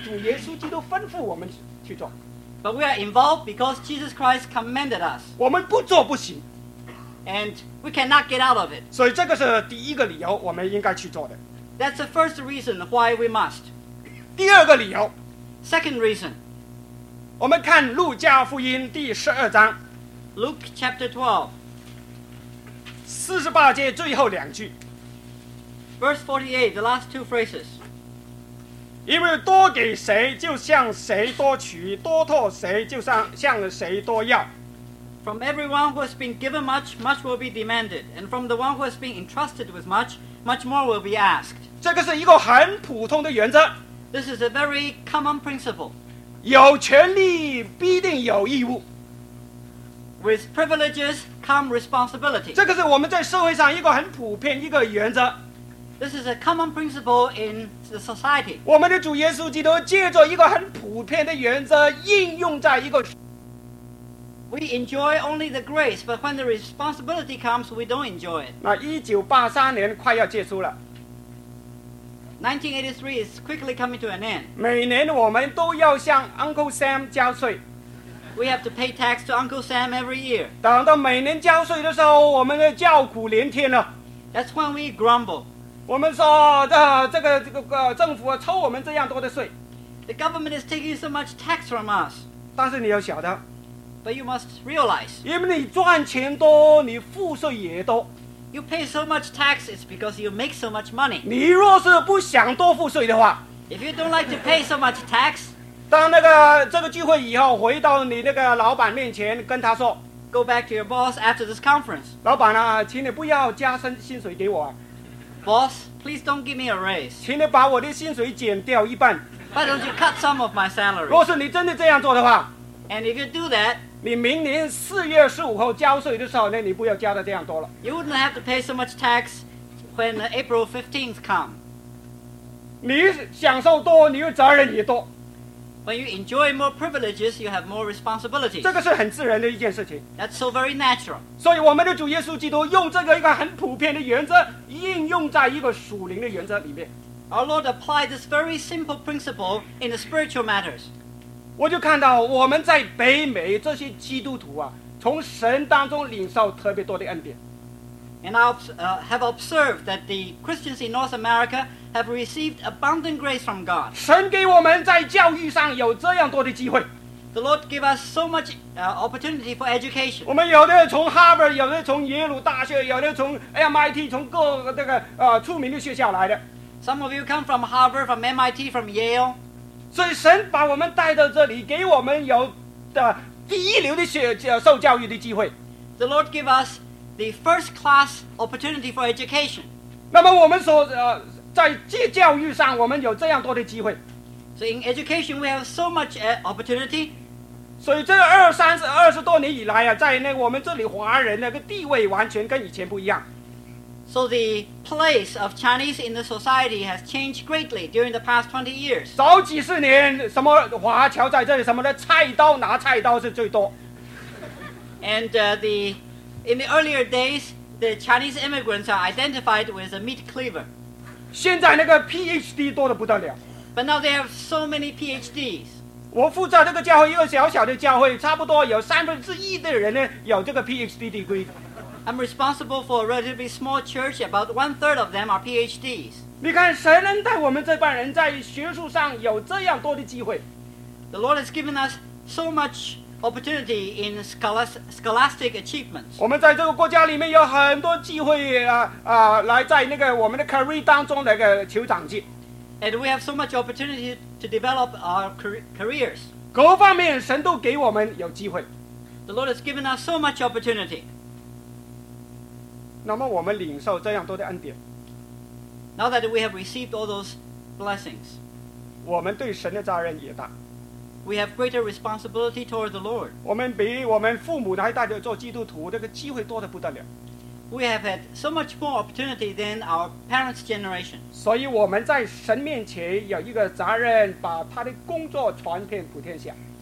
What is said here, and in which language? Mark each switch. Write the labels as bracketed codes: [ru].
[zh] 我们做差传是因为主耶稣基督吩咐我们去做。 [en] But we are involved because Jesus Christ commanded us. [zh] 我们不做不行。 [en] And we cannot get out of it. [zh] 所以这个是第一个理由我们应该去做的。 [en] That's the first reason why we must. [zh] 第二个理由。 [en] Second reason. [zh] 我们看路加福音第12章。 [en] Luke chapter 12. [zh] 48节最后两句。 [en] Verse 48, the last two phrases. [zh] 因为多给谁，就向谁多取；多托谁，就向谁多要。 [en] From everyone who has been given much, much will be demanded, and from the one who has been entrusted with much, much more will be asked. [zh] 这个是一个很普通的原则。 [en] This is a very common principle. [zh] 有权利必定有义务。 [en] With privileges come responsibility. [zh] 这个是我们在社会上一个很普遍一个原则。 [en] This is a common principle in the society. [zh] 我们的主耶稣基督借着一个很普遍的原则应用在一个。 [en] We enjoy only the grace, but when the responsibility comes, we don't enjoy it. [zh] 那1983年快要结束了。1983 [en] is quickly coming to an end. [zh] 每年我们都要向 Uncle Sam 交税。 [en] We have to pay tax to Uncle Sam every year. [zh] 等到每年交税的时候，我们就叫苦连天了。 [en] That's when we grumble. [zh] 我们说，这个政府抽我们这样多的税。 [en] The government is taking so much tax from us. [zh] 但是你要晓得， [en] But you must realize. [zh] 因为你赚钱多，你赋税也多。 [en] You pay so much tax, it's because you make so much money. [zh] 你若是不想多赋税的话， [en] If you don't like to pay so much tax, [zh] 当这个聚会以后，回到你那个老板面前跟他说， [en] Go back to your boss after this conference. [zh] 老板啊，请你不要加薪薪水给我啊。 [en] Boss, please don't give me a raise. [zh] 请你把我的薪水减掉一半。 [en] Why don't you cut some of my salary? [zh] 若是你真的这样做的话。 [en] And if you do that, [zh] 你明年四月十五号交税的时候呢，你不要交的这样多了。 [en] You wouldn't have to pay so much tax when April 15th comes. [zh] 你享受多，你的责任也多。 [en] When you enjoy more privileges, you have more responsibilities. [zh] 这个是很自然的一件事情。 [en] That's so very natural. [zh] 所以我们的主耶稣基督用这个一个很普遍的原则，应用在一个属灵的原则里面。 [en] Our Lord applied this very simple principle in the spiritual matters. [zh] 我就看到我们在北美这些基督徒啊，从神当中领受特别多的恩典。 [en] And I have observed that the Christians in North America have received abundant grace from God. [zh] 神给我们在教育上有这样多的机会。 [en] The Lord gave us so much opportunity for education. [zh] 我们有的从 Harvard, 有的从耶鲁大学，有的从 MIT, 从各个这个出名的学校来的。 [en] Some of you come from Harvard, from MIT, from Yale. [zh] 所以神把我们带到这里，给我们有的第一流的受教育的机会。 [en] The Lord gave us the first class opportunity for education. [zh] 那么我们所在教育上，我们有这样多的机会。 [en] So in education, we have so much opportunity. [zh] 所以这二十多年以来啊，在那我们这里华人那个地位完全跟以前不一样。 [en] So the place of Chinese in the society has changed greatly during the past 20 years. [zh] 早几十年，什么华侨在这里，什么的菜刀拿菜刀是最多。 [en] And in the earlier days, the Chinese immigrants are identified with a meat cleaver. [zh] 现在那个 PhD 多得不得了。 [en] But now they have so many PhDs. [zh] 我负责这个教会，一个小小的教会，差不多有三分之一的人呢有这个 PhD degree。 [en] I'm responsible for a relatively small church. About one third of them are PhDs. [zh] 你看，神恩待我们这帮人在学术上有这样多的机会。 [en] The Lord has given us so much opportunity in scholastic achievements. [zh] 我们在这个国家里面有很多机会来在那个我们的 career 当中那个求长进。 [en] And we have so much opportunity to develop our careers. [zh] 各方面神都给我们有机会。 [en] The Lord has given us so much opportunity. [zh] 那么我们领受这样多的恩典。 [en] Now that we have received all those blessings, [zh] 我们对神的责任也大。 [en] We have greater responsibility toward the Lord. [zh] 我们比我们父母还带着做基督徒，这个机会多得不得了。 [en] We have had so much more opportunity than our parents' generation. [zh] 所以我们在神面前有一个责任，把他的工作传遍普天下。